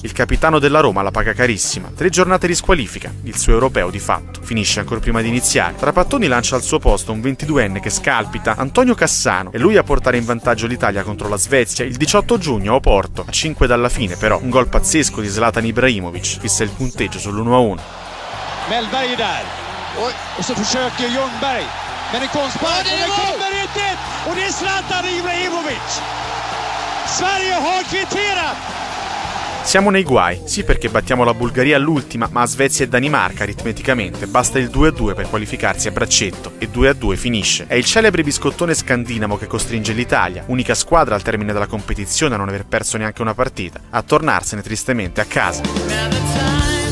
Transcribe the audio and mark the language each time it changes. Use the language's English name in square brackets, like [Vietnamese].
[Italian] Il capitano della Roma la paga carissima. 3 giornate di squalifica, il suo Europeo di fatto. Finisce ancora prima di iniziare. Trapattoni lancia al suo posto un 22enne che scalpita, Antonio Cassano, e lui a portare in vantaggio l'Italia contro la Svezia il 18 giugno a Oporto. A 5 dalla fine, però, un gol pazzesco di Zlatan Ibrahimovic fissa il punteggio sull'1-1. [Swedish] Melberg där. Och så försöker Ljungberg. Men det kom sparken, det kommer inte. Och det är Zlatan Ibrahimovic. Sverige har kvitterat. [Italian] Siamo nei guai, sì, perché battiamo la Bulgaria all'ultima, ma a Svezia e Danimarca aritmeticamente basta il 2-2 per qualificarsi a braccetto, e 2-2 finisce. È il celebre biscottone scandinavo che costringe l'Italia, unica squadra al termine della competizione a non aver perso neanche una partita, a tornarsene tristemente a casa.